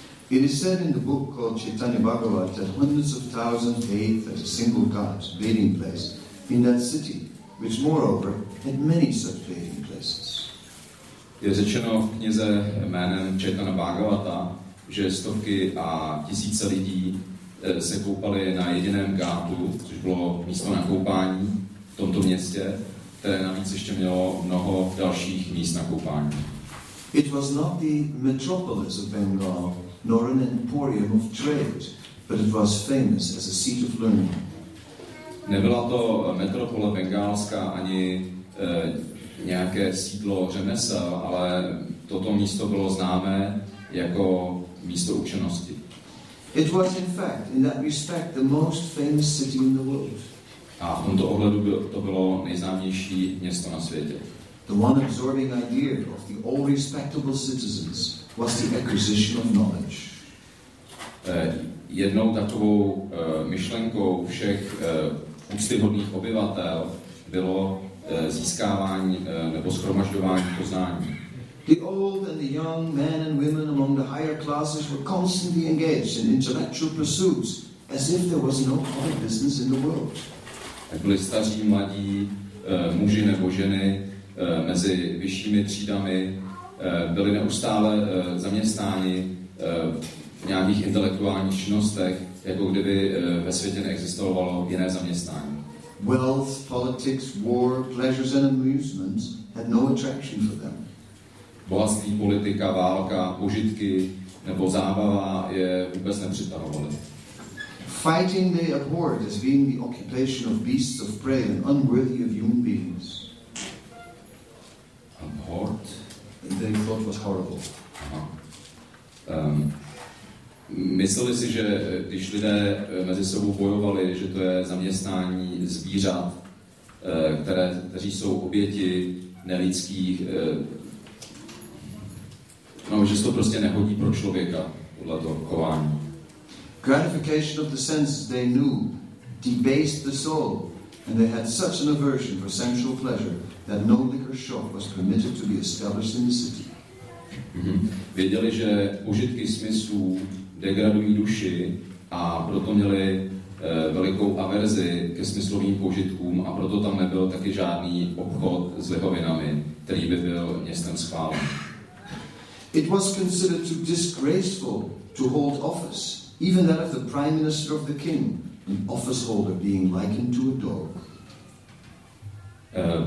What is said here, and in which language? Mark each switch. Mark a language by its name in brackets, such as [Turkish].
[English] It is said in the book called Chaitanya Bhagavat that hundreds of thousands bathed at a single god's bathing place in that city, which moreover had many such bathing places. [Czech] Je řečeno v knize jménem Chaitanya Bhagavata, že stovky a tisíce lidí se koupali na jediném gátu, což bylo místo na koupání v tomto městě, které navíc ještě mělo mnoho dalších míst na koupání. [English] It was not the metropolis of Bengal, nor an emporium of trade, but it was famous as a seat of learning. [Czech] Nebyla to metropole bengálská ani nějaké sídlo řemesel, ale toto místo bylo známé jako místo učenosti. [English] It was in fact in that respect the most famous city in the world. [Czech] A v tomto ohledu to bylo nejznámější město na světě. [English] The one absorbing idea of the all respectable citizens was the acquisition of knowledge. [Czech] Jednou takovou myšlenkou všech úctyhodných obyvatel bylo získávání nebo shromažďování poznání. [English] The old and the young men and women among the higher classes were constantly engaged in intellectual pursuits, as if there was no other business in the world. [Czech] Byli staří, mladí, muži nebo ženy mezi vyššími třídami byli neustále zaměstnáni v nějakých intelektuálních činnostech, jako kdyby ve světě neexistovalo jiné zaměstnání. [English] Wealth, politics, war, pleasures and amusements had no attraction for them. [Czech] Bohatství, politika, válka, požitky nebo zábava je vůbec nepřitahovaly. [English] Fighting they abhorred as being the occupation of beasts of prey and unworthy of human beings. Abhorred? They thought was horrible. [Czech] Mysleli si, že když lidé mezi sebou bojovali, že to je zaměstnání zvířat, kteří jsou oběti nelidských. No, že se to prostě nehodí pro člověka, podle toho chování. [English] Gratification of the senses they knew debased the soul, and they had such an aversion for sensual pleasure that no liquor shop was permitted to be established in the city. [Czech] Věděli, že užitky smyslů degradují duši a proto měli velikou averzi ke smyslovým požitkům a proto tam nebyl taky žádný obchod s lihovinami, který by byl městem schválen. [English] It was considered too disgraceful to hold office, Even that of the prime minister of the king, an office holder being likened to a dog.